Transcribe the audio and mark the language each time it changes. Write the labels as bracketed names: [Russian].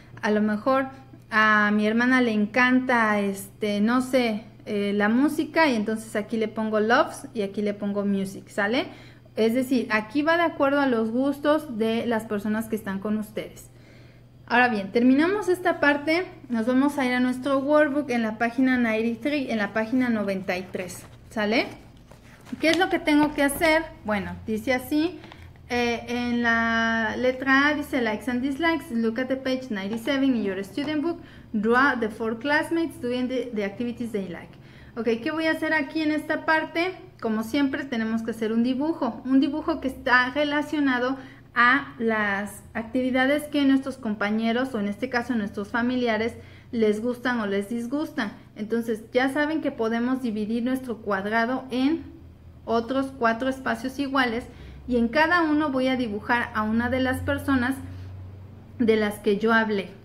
[Spanish] A lo mejor a mi hermana le encanta, no sé, la música y entonces aquí le pongo loves y aquí le pongo music, ¿sale? Es decir, aquí va de acuerdo a los gustos de las personas que están con ustedes. Ahora bien, terminamos esta parte, nos vamos a ir a nuestro workbook en la página 93, en la página 93, ¿sale? ¿Qué es lo que tengo que hacer? Bueno, dice así, en la letra A dice [English] likes and dislikes, look at the page 97 in your student book, draw the four classmates doing the activities they like. [Spanish] Ok, ¿qué voy a hacer aquí en esta parte? Como siempre tenemos que hacer un dibujo que está relacionado a las actividades que nuestros compañeros, o en este caso nuestros familiares, les gustan o les disgustan. Entonces ya saben que podemos dividir nuestro cuadrado en otros cuatro espacios iguales y en cada uno voy a dibujar a una de las personas de las que yo hablé.